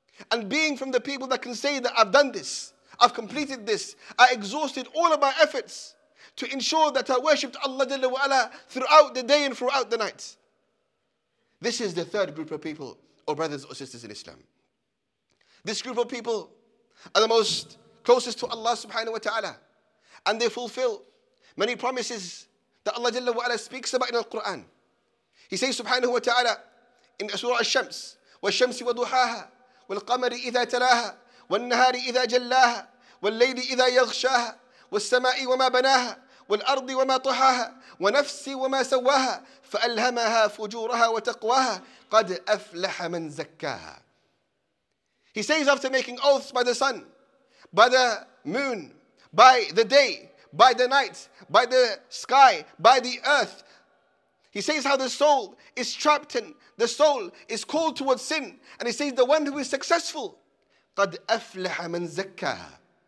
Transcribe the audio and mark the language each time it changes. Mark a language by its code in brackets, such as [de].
[en] And being from the people that can say that I've done this, I've completed this, I exhausted all of my efforts to ensure that I worshipped Allah Jalla wa Ala throughout the day and throughout the night. This is the third group of people, or brothers or sisters in Islam. This group of people are the most closest to Allah subhanahu wa ta'ala. and they fulfill many promises that Allah Jalla wa'ala speaks about in the Quran. [ar] He says subhanahu wa ta'ala in Surah Al-Shams, وَالشَّمْسِ وَضُحَاهَا وَالْقَمَرِ إِذَا تَلَاهَا وَالنَّهَارِ إِذَا جَلَّاهَا وَالْلَّيْلِ إِذَا يَغْشَاهَا وَالسَّمَاءِ وَمَا بَنَاهَا وَالْأَرْضِ وَمَا طَحَاهَا وَنَفْسِ وَمَا سَوَّاهَا فَأَلْهَمَهَا فُجُورَهَا وَتَقْوَاهَا قَدْ أَفْلَحَ مَنْ زَكَّاهَا. [en] He says, after making oaths by the sun, by the moon, by the day, by the night, by the sky, by the earth, he says how the soul is trapped in, the soul is called towards sin, and he says the one who is successful, [ar] قَدْ أَفْلَحَ مَنْ زَكَّاهَا.